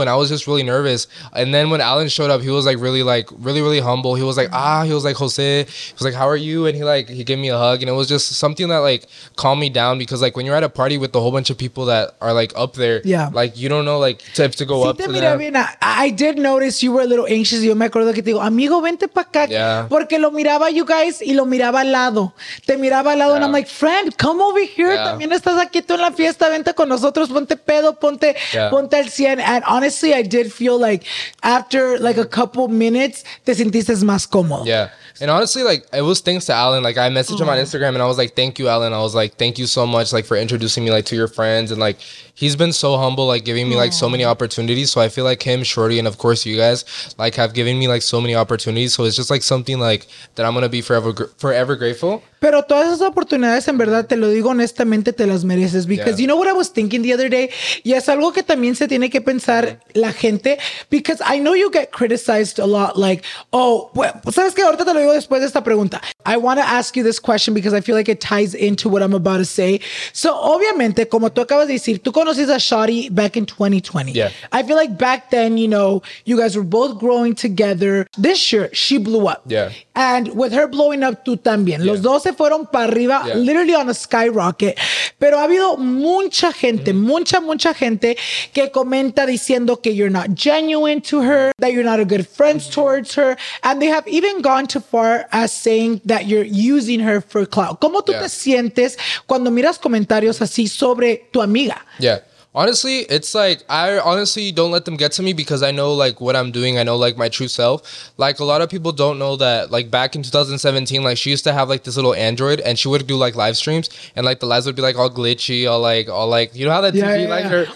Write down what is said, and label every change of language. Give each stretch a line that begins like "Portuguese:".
English: And I was just really nervous. And then when Alan showed up, he was like, really, really humble. He was like, he was like, Jose, he was like, how are you? And he gave me a hug. And it was just something that like calmed me down, because like when you're at a party with a whole bunch of people that are like up there, like you don't know like to go up to them. I did notice you were a little anxious.
Spanish: Yo me acuerdo que te digo, amigo, vente pa' acá. Porque lo miraba
English: you guys
Spanish: y lo miraba al lado. Te miraba al lado
English: and I'm like, friend, come over here.
Spanish: Yeah. También estás aquí tú en la fiesta. Vente con nosotros. Ponte pedo. Ponte, ponte al 100.
English: And honestly, I did feel like after like a couple minutes,
Spanish: te sentiste más cómodo.
English: Yeah. And honestly, like, it was thanks to Alan. Like, I messaged him on Instagram and I was like, thank you, Alan. I was like, thank you so much, like, for introducing me, like, to your friends. And, like, he's been so humble, like, giving me, like, so many opportunities. So I feel like him, Shorty, and, of course, you guys, like, have given me, like, so many opportunities. So it's just, like, something, like, that I'm going to be forever grateful.
Spanish: Pero todas esas oportunidades, en verdad, te lo digo honestamente, te las mereces.
English: Because you know what I was thinking the other day?
Spanish: Y es algo que también se tiene que pensar la gente.
English: Because I know you get criticized a lot. Like, oh, well,
Spanish: ¿sabes qué? Ahorita te lo digo después de esta pregunta.
English: I want to ask you this question because I feel like it ties into what I'm about to say.
Spanish: So, obviamente, como tú acabas de decir, tú conociste a Shawty back in 2020.
English: Yeah. I feel like back then, you know, you guys were both growing together. This year, she blew up. Yeah. And with her blowing up,
Spanish: tú también.
English: Yeah.
Spanish: Los dos se fueron para arriba,
English: literally on a skyrocket.
Spanish: Pero ha habido mucha gente, mucha gente que comenta diciendo que
English: you're not genuine to her, that you're not a good friend towards her. And they have even gone too far as saying that you're using her for clout.
Spanish: ¿Cómo tú te sientes cuando miras comentarios así sobre tu amiga?
English: Yeah. Honestly, it's like, I honestly don't let them get to me because I know like what I'm doing. I know like my true self. Like a lot of people don't know that like back in 2017, like she used to have like this little Android and she would do like live streams and like the lives would be like all glitchy, all like, you know how that TV like her?